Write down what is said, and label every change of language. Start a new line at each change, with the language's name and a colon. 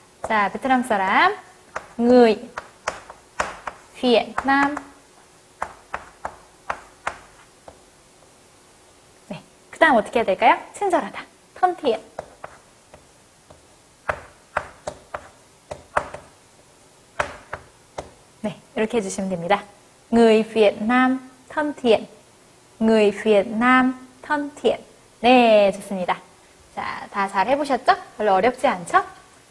Korean: 자, 베트남 사람. người Việt Nam. 네, 그 다음 어떻게 해야 될까요? 친절하다. thân thiện. 네, 이렇게 해주시면 됩니다.
Vietnamese: Người Việt Nam thân thiện. Người Việt Nam thân thiện.
Korean: 네, 좋습니다. 자, 다 잘 해보셨죠? 별로 어렵지 않죠?